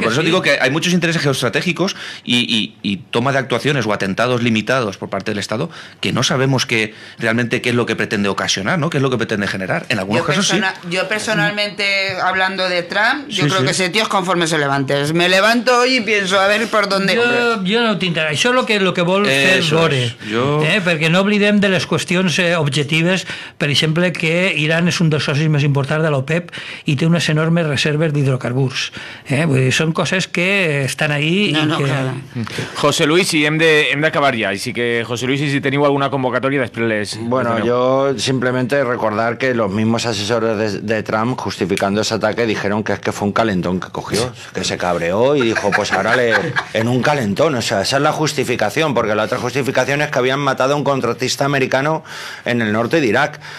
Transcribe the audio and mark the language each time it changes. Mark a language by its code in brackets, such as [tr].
[es] Por eso digo que hay muchos intereses geoestratégicos y toma de actuaciones o atentados limitados por parte del Estado que no sabemos que realmente qué es lo que pretende ocasionar, ¿no? Qué es lo que pretende generar. En algunos casos sí. Yo personalmente, hablando de Trump, yo creo que ese tío es conforme se levante. Me levanto hoy y pienso a ver por dónde. Yo no te interesa. Eso es lo que [ca] vol fer vore. Perquè no oblidem de les qüestions objectives, per exemple, que Iran és un dels socis més importants de l'OPEP i té unes enormes reserves d'hidrocarburs. Vull dir, són coses que estan ahí. José Luis, si hem d'acabar ja. Així que, José Luis, si teniu alguna convocatòria, després les... [es] Bueno, yo simplemente recordar que los mismos asesores de Trump, justificando ese ataque, dijeron que es que fue un calentón que cogió, que se cabreó y dijo, pues ahora le... en un calentón. O sea, esa es la justificación, porque la otra justificación es que habían matado a un contratista americano en el norte de Irak.